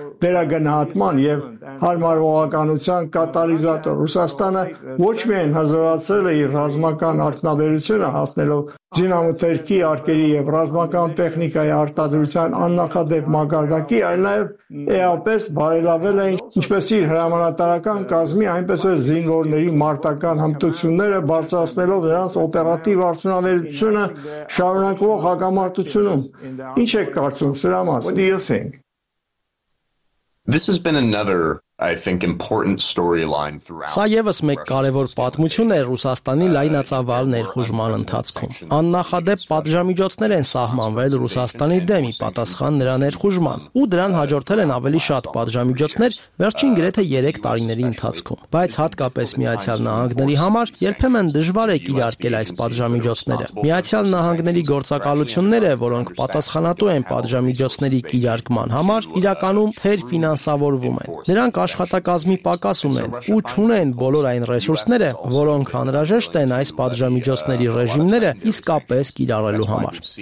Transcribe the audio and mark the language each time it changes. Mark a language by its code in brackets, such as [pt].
[hy] վերագնահատման և հարմարողականության կատալիզատոր։ Ռուսաստանը ոչ միայն հզորացրել է իր ռազմական արդյունաբերությունը, հասնելով զինամթերքի, արկերի և ռազմական տեխնիկայի արտադրության աննախադեպ մակարդակի, այլ նաև էապես բարելավել է ինչպես իր հրամանատարական կազմի, այնպես էլ զինվորների մարտական հմտությունները, բարձրացնելով նրանց օպերատիվ արդյունավետությունը շարունակվող հակամարտությունում։ Ինչ եք կարծում սրա մասին? [en] This has been another, I think, important storyline throughout. [hy] Սա եւս մեկ կարևոր պատմություն է Ռուսաստանի լայնածավալ ներխուժման ընթացքում։ Աննախադեպ պատժամիջոցներ են սահմանվել Ռուսաստանի դեմ ի պատասխան նրա ներխուժման, ու դրան հաջորդել են ավելի շատ պատժամիջոցներ վերջին գրեթե 3 տարիների ընթացքում։ Բայց հատկապես Միացյալ Նահանգների համար երբեմն դժվար է կիրարկել այս պատժամիջոցները։ Միացյալ Նահանգների գործակալությունները, որոնք պատասխանատու են պատժամիջոցների կիրարկման համար, իրականում թեր ֆինանսավորվում են։ Նրանք աշխատակազմի պակաս ունեն ու չունեն բոլոր այն ռեսուրսները, որոնք անհրաժեշտ են այս պատժամիջոցների ռեժիմները իսկապես կիրառելու համար։